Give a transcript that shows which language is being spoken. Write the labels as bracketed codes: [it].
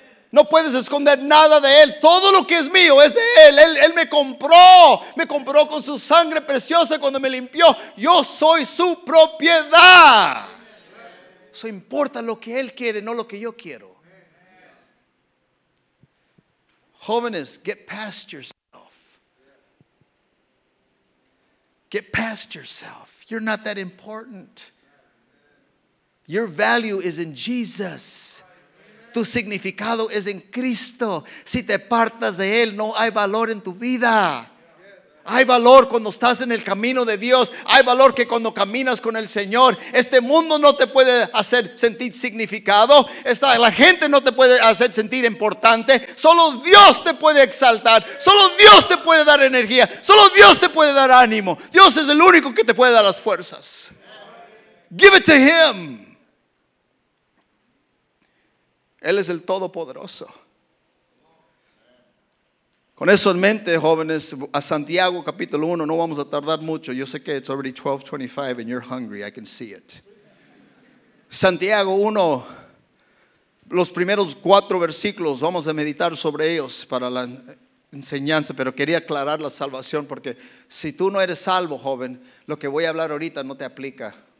[es] No puedes esconder nada de Él. Todo lo que es mío es de Él. Él me compró. Me compró con su sangre preciosa cuando me limpió. Yo soy su propiedad. Eso importa lo que Él quiere, no lo que yo quiero. [en] Jóvenes, get past yourself. Get past yourself. You're not that important. Your value is in Jesus. [es] Tu significado es en Cristo. Si te apartas de Él, no hay valor en tu vida. Hay valor cuando estás en el camino de Dios. Hay valor que cuando caminas con el Señor. Este mundo no te puede hacer sentir significado. La gente no te puede hacer sentir importante. Solo Dios te puede exaltar. Solo Dios te puede dar energía. Solo Dios te puede dar ánimo. Dios es el único que te puede dar las fuerzas. [en] Give it to Him. [es] Él es el Todopoderoso. Con eso en mente, jóvenes, a Santiago capítulo 1, no vamos a tardar mucho. Yo sé que [en] it's already 12:25 and you're hungry, I can see it. [es] Santiago 1, los primeros cuatro versículos, vamos a meditar sobre ellos para la enseñanza, pero quería aclarar la salvación porque si tú no eres salvo, joven, lo que voy a hablar ahorita no te aplica.